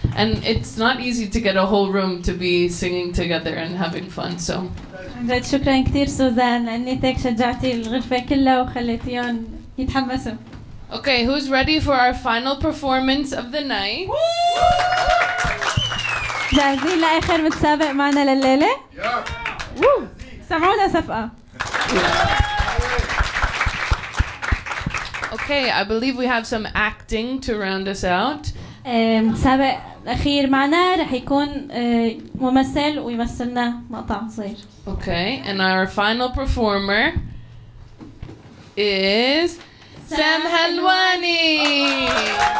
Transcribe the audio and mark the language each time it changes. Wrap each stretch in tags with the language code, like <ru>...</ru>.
<en>And it's not easy to get a whole room to be singing together and having fun. So.</en> <ar>Shukran كتير, Suzanne. لأني تك شجعتي الغرفة كلها وخليتيون يتحمسوا.</ar> <en>Okay, who's ready for our final performance of the night?</en> <ar>جاهزين لآخر متسابق معنا لليلة؟ سمعونا صفقة.</ar> <en>Okay, I believe we have some acting to round us out.</en> <ar>سابق الأخير معنا رح يكون ممثل ويمثلنا مقطع صغير.</ar> <en>Okay, and our final performer is Sam Helwani.</en>